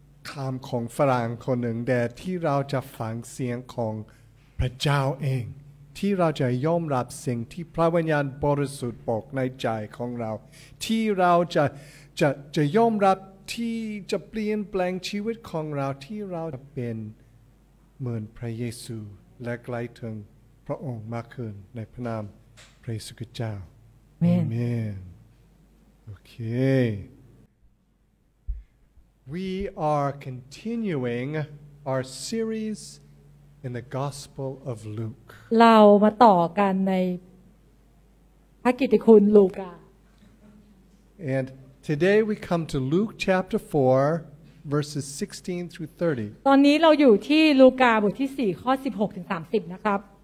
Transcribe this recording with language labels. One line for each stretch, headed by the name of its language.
Thai: คำของฝรั่งคนหนึ่งแต่ที่เราจะฟังเสียงของพระเจ้าเองที่เราจะยอมรับสิ่งที่พระวิญญาณบริสุทธิ์บอกในใจของเราที่เราจะยอมรับที่จะเปลี่ยนแปลงชีวิตของเราที่เราจะเป็นเหมือนพระเยซูและใกล้ถึงพระองค์มากขึ้นในพระนามพระเยซูคริสต์เจ้า อาเม นโอเค
English: We are continuing our series in the Gospel of Luke
Thai: เรามาต่อกันในพระกิตติคุณลูกา
English: AndToday we come to Luke chapter 4 verses 16 through 30.
Thai: ตอนนี้เราอยู่ที่ลูกาบทที่4ข้อ16ถึง30นะครับ